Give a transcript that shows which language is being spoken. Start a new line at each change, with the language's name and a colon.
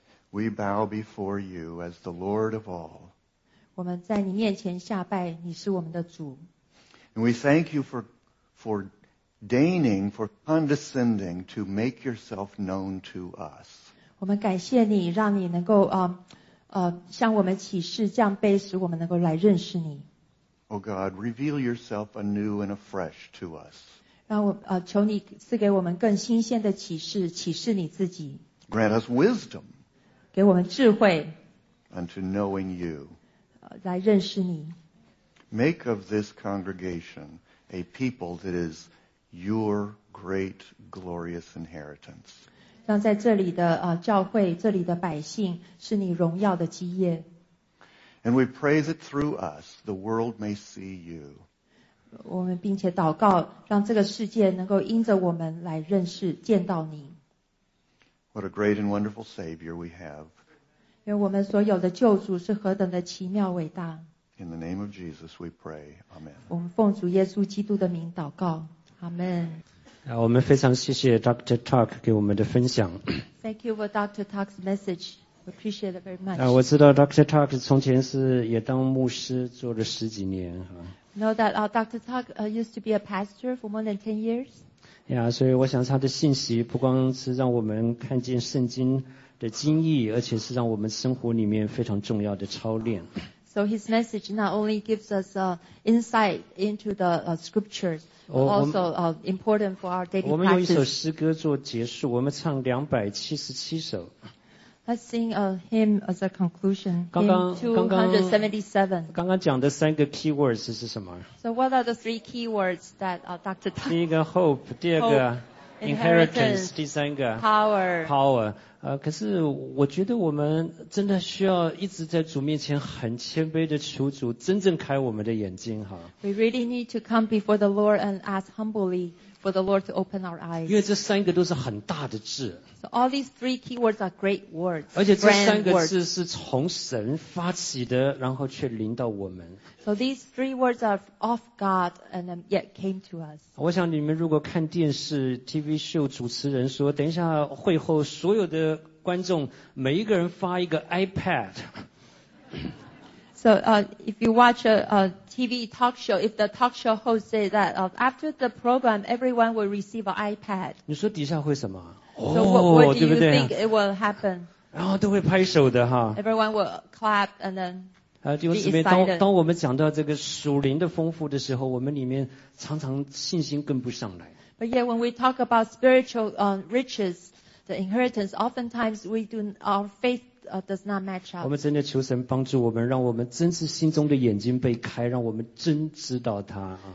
English: We bow before you as the Lord of all.
Chinese: 我们在你面前下拜，你是我们的主。
English: And we thank you for deigning, for condescending to make yourself known to us.
Chinese: 我们感谢你，让你能够向我们启示降卑，使我们能够来认识你。
English: Oh God, reveal yourself anew and afresh to us.
Chinese: 让我求你赐给我们更新鲜的启示，启示你自己。
English: Grant us wisdom.
Chinese: 给我们智慧。
English: Unto knowing you.
Chinese: 来认识你。
English: Make of this congregation a people that is your great glorious inheritance.
Chinese: 让在这里的教会，这里的百姓，是你荣耀的基业。
English: And we pray that through us, the world may see you.
Chinese: 我们并且祷告，让这个世界能够因着我们来认识、见到你。
English: What a great and wonderful Savior we have.
Chinese: 因为我们所有的救主是何等的奇妙伟大。
English: In the name of Jesus we pray, Amen.
Chinese: 我们奉主耶稣基督的名祷告， Amen. 我们非常谢谢 Dr. Tuck 给我们的分享。
English: Thank you for Dr. Tuck's message. We appreciate it very much.
Chinese: 我知道 Dr. Tuck 从前是也当牧师做了十几年。
English: Know that Dr. Tuck used to be a pastor for more than 10 years.
Chinese: Yeah, 所以我想他的信息不光是让我们看见圣经的经义，而且是让我们生活里面非常重要的操练。
English: So his message not only gives us insight into the scriptures, but also important for our daily practice.
Chinese: 我们有一首诗歌做结束，我们唱277首。
English: Let's sing a hymn as a conclusion.
Chinese: 刚刚讲的三个 keywords 是什么？
English: So what are the three keywords that Dr. Tuck?
Chinese: 第一个 hope， 第二个
English: inheritance，
Chinese: 第三个
English: power。
Chinese: 可是我觉得我们真的需要一直在主面前很谦卑的求主真正开我们的眼睛哈。
English: We really need to come before the Lord and ask humbly for the Lord to open our eyes.
Chinese: 因为这三个都是很大的字。
English: So all these three keywords are great words.
Chinese: 而且这三个字是从神发起的，然后却临到我们。
English: So these three words are of God and yet came to us.
Chinese: 我想你们如果看电视 TV show 主持人说，等一下会后所有的观众每一个人发一个 iPad。
English: So if you watch a TV talk show, if the talk show host say that after the program everyone will receive an iPad,
Chinese: 你说底下会什么？
English: What do you think it will happen?
Chinese: 然后都会拍手的哈。
English: Everyone will clap and then
Chinese: 弟兄姊妹，当我们讲到这个属灵的丰富的时候，我们里面常常信心跟不上来。
English: But yet when we talk about spiritual richesThe inheritance, oftentimes our faith does not match up.
Chinese: 我们真的求神帮助我们，让我们真是心中的眼睛被开，让我们真知道他。